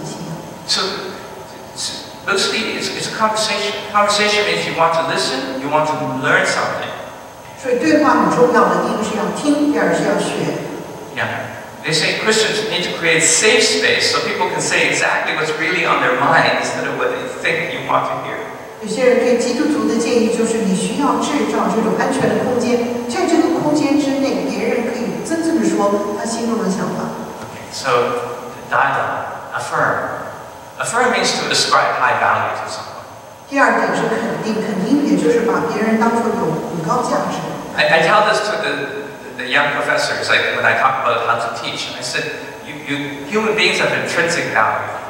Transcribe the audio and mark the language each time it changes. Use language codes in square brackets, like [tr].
[zh] 所以保罗也就是说，我看到你们有敬拜很多的偶像，甚至其中有一个是未知之神。所以就从那个角度开始，把他们带进他自己的心。 [en] So mostly it's a conversation. Conversation means you want to listen, you want to learn something. [zh] 所以对话很重要的，第一个是要听，第二是要学。 [en] Yeah, they say Christians need to create safe space so people can say exactly what's really on their mind instead of what they think you want to hear. [zh] 有些人对基督徒的建议就是，你需要制造这种安全的空间，在这个空间之内，别人可以真正的说他心中的想法。 [en] So, dialogue, affirm. Affirm means to ascribe high value to someone. [zh] 第二点是肯定，肯定也就是把别人当作有很高价值。 [en] I tell this to the young professors, like when I talk about how to teach, I said, you human beings have intrinsic value.